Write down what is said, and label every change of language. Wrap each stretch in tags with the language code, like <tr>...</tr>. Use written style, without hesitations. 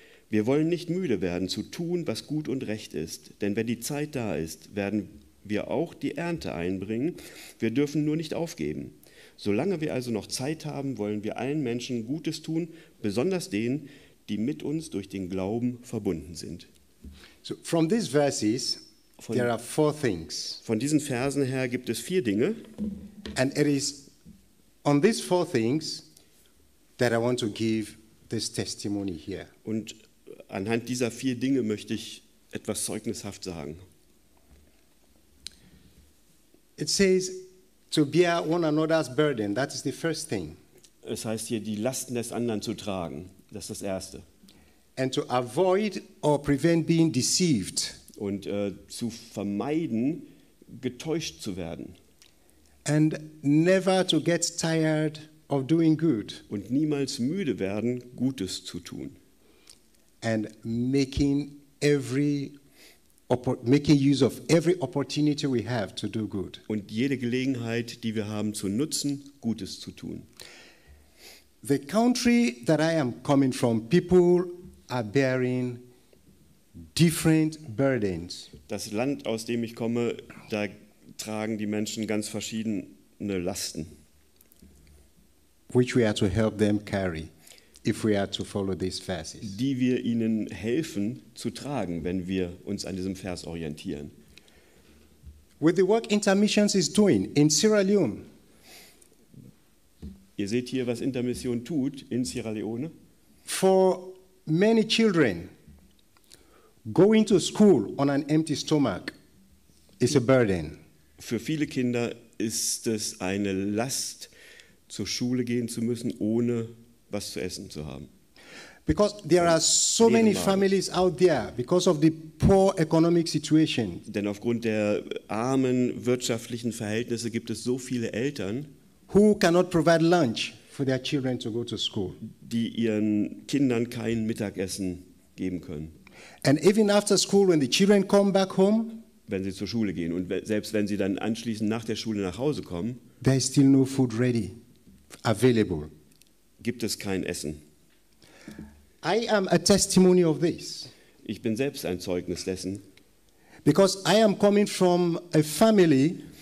<de>Wir wollen nicht müde werden, zu tun, was gut und recht ist. Denn wenn die Zeit da ist, werden wir auch die Ernte einbringen. Wir dürfen nur nicht aufgeben. Solange wir also noch Zeit haben, wollen wir allen Menschen Gutes tun, besonders denen, die mit uns durch den Glauben verbunden sind.</de> <en>So, from these verses, there are four things.</en> <de>Von diesen Versen her gibt es vier Dinge.</de> <en>And it is on these four things that I want to give this testimony here.</en> <de>Und anhand dieser vier Dinge möchte ich etwas zeugnishaft sagen.</de> <en>It says to bear one another's burden. That is the first thing.</en> <de>Es heißt hier, die Lasten des anderen zu tragen. Das ist das Erste.</de> <en>And to avoid or prevent being deceived.</en> <de>Und zu vermeiden, getäuscht zu werden.</de> <en>And never to get tired of doing good.</en> <de>Und niemals müde werden, Gutes zu tun.</de> <en>And making use of every opportunity we have to do good.</en> <de>Und jede Gelegenheit, die wir haben, zu nutzen, Gutes zu tun.</de> <en>The country that I am coming from, people are bearing different burdens.</en> <de>Das Land, aus dem ich komme, da tragen die Menschen ganz verschiedene Lasten.</de> <en>Which we are to help them carry, if we are to follow these verses.</en> <de>Die wir ihnen helfen zu tragen, wenn wir uns an diesem Vers orientieren.</de> <en>With the work Intermissions is doing in Sierra Leone.</en> <de>Ihr seht hier, was Intermission tut in Sierra Leone.</de> <en>For many children, going to school on an empty stomach is a burden.</en> <de>Für viele Kinder ist es eine Last, zur Schule gehen zu müssen, ohne was zu essen zu haben.</de> <en>Because there are so many families out there because of the poor economic situation.</en> <de>Denn aufgrund der armen wirtschaftlichen Verhältnisse gibt es so viele Eltern,</de> <en>who cannot provide lunch for their children to go to school.</en> <de>Die ihren Kindern kein Mittagessen geben können.</de> <en>And even after school, when the children come back home,</en> <de>wenn sie zur Schule gehen und selbst wenn sie dann anschließend nach der Schule nach Hause kommen,</de> <en>there is still no food ready, available.</en> <de>Gibt es kein Essen.</de> <en>I am a testimony of this.</en> <de>Ich bin selbst ein Zeugnis dessen.</de> <en>Because I am coming from a family.</en>